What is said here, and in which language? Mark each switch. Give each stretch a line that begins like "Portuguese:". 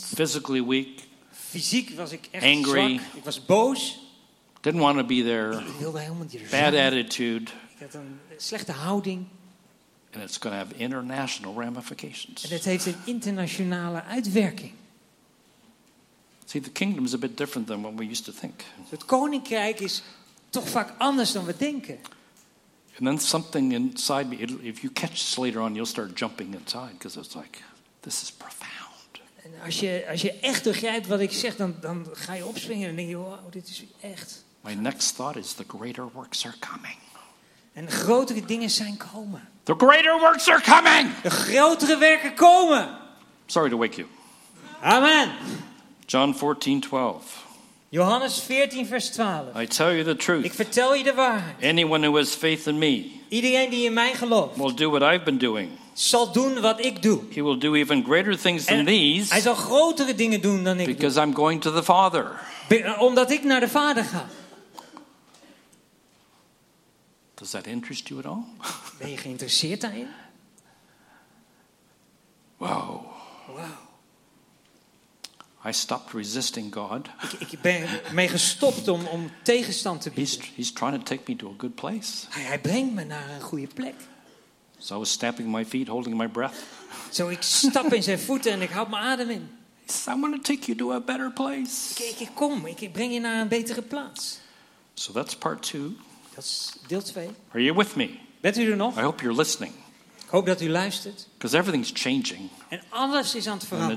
English: Physically weak.
Dutch: Fysiek was ik echt
English: angry,
Dutch: zwak. Ik was boos.
English: Didn't want to be there.
Dutch: Ik wilde helemaal niet er
English: bad
Dutch: zijn.
English: Attitude.
Dutch: Ik had een slechte houding.
English: And it's going to have international ramifications.
Dutch: En het heeft een internationale uitwerking.
English: See, the kingdom is a bit different than what we used to think.
Dutch: Het koninkrijk is toch vaak anders dan we denken.
English: And then something inside me, if you catch this later on, you'll start jumping inside because it's like, this is profound.
Dutch: En als je echt begrijpt wat ik zeg, dan ga je opspringen en denk je, wow, dit is echt.
English: My next thought is the greater works are coming.
Dutch: En grotere dingen zijn komen.
English: The greater works are coming.
Dutch: De grotere werken komen.
English: Sorry to wake you. Amen. John 14:12.
Dutch: Johannes 14 vers 12.
English: I tell you the truth.
Dutch: Ik vertel je de waarheid.
English: Anyone who has faith in me.
Dutch: Iedereen die in mij gelooft.
English: Will do what I've been doing.
Dutch: Zal doen wat ik doe.
English: He will do even greater things than these.
Dutch: Hij zal grotere dingen doen dan ik.
English: Because
Dutch: doe.
English: I'm going to the Father.
Dutch: Omdat ik naar de Vader ga.
English: Does that interest you at all?
Dutch: Ben je geïnteresseerd daarin? Wow. Wow.
English: I stopped resisting God.
Dutch: Ik ben mee gestopt om tegenstand te bieden.
English: He's trying to take me to a good place.
Dutch: Hij brengt me naar een goede plek.
English: So I was stamping my feet, holding my breath.
Dutch: Zo ik stap in zijn voeten en ik houd mijn adem in.
English: I want to take you to a better place.
Dutch: Ik breng je naar een betere plaats.
English: So that's part two.
Dutch: Dat is deel 2.
English: Are you with me?
Dutch: Bent u er nog?
English: I hope you're listening.
Dutch: Ik hoop dat u luistert.
English: Because everything's changing.
Dutch: En alles is aan het veranderen.